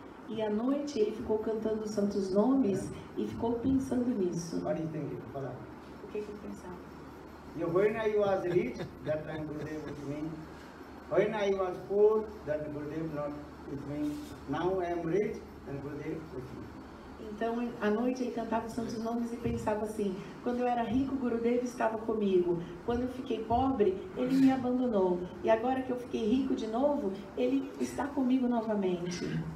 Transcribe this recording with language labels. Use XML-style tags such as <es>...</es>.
<pt>E à noite ele ficou cantando os santos nomes e ficou pensando nisso. O que ele pensava?</pt> <en>When I was rich, that time Gurudev with me. When I was poor, that Gurudev not with me. Now I am rich and Gurudev with me.</en> <pt>Então, à noite ele cantava os santos nomes e pensava assim: quando eu era rico, Gurudev estava comigo. Quando eu fiquei pobre, ele me abandonou. E agora que eu fiquei rico de novo, ele está comigo novamente.</pt>